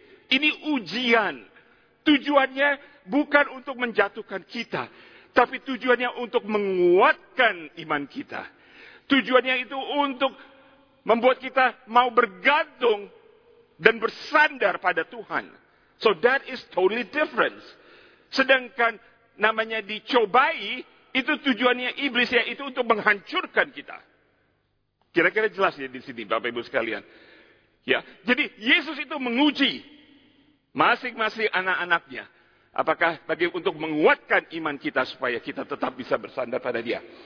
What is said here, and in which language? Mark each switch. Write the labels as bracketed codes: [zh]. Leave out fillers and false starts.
[id] Ini ujian. Tujuannya bukan untuk menjatuhkan kita. Tapi tujuannya untuk menguatkan iman kita. Tujuannya itu untuk membuat kita mau bergantung dan bersandar pada Tuhan. [en] So that is totally different. [id] Sedangkan namanya dicobai, itu tujuannya iblis yaitu untuk menghancurkan kita. Kira-kira jelas ya di sini Bapak Ibu sekalian. Ya, jadi Yesus itu menguji masing-masing anak-anaknya. Apakah bagi untuk menguatkan iman kita supaya kita tetap bisa bersandar pada dia.